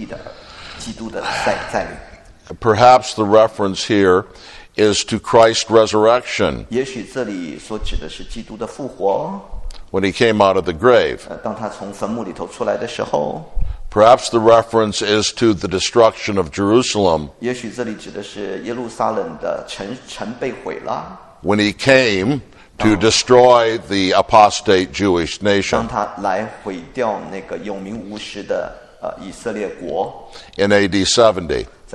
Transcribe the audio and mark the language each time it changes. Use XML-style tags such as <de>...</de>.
<zh>有一些比较次要的，不是寓意的基督的再临。</zh> <en>Perhaps the reference here is to Christ's resurrection.</en> <zh>也许这里所指的是基督的复活,</zh> <en>when he came out of the grave.</en> <zh>当他从坟墓里头出来的时候,</zh> <en>perhaps the reference is to the destruction of Jerusalem.</en> <zh>也许这里指的是耶路撒冷的城被毁了,</zh> <en>when he came to destroy the apostate Jewish nation in AD 70.</en>